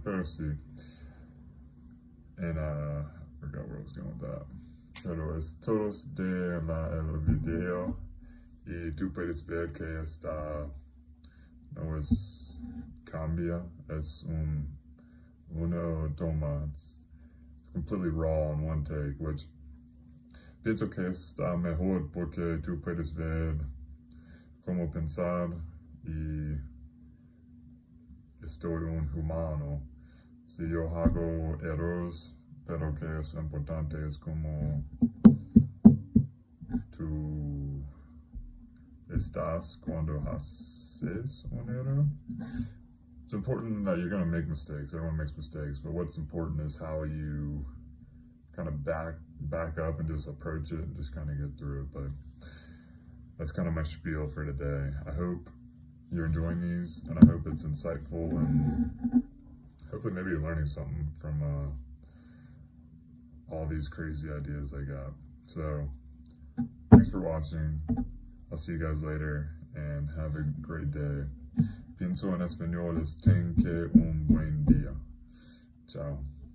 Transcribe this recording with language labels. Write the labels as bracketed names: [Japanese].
[Spanish] Pero sí, [English] and I forgot where I was going with that. [Spanish] Pero es todos de el video y tú puedes ver que está. No es cambia, es un uno toma, [English] it's completely raw in one take, which [Spanish] Pienso que está mejor porque tú puedes ver cómo pensar y estoy un humano. Si yo hago errores, pero que es importante, es como tú estás cuando haces un error. [English] It's important that you're going to make mistakes. Everyone makes mistakes, but what's important is how you kind of back up and just approach it and just kind of get through it. But that's kind of my spiel for today. I hope you're enjoying these, and I hope it's insightful, and hopefully maybe you're learning something from all these crazy ideas I got. So thanks for watching. I'll see you guys later, and have a great day. [Spanish] Pienso en español, es ten que un buen día. Chao.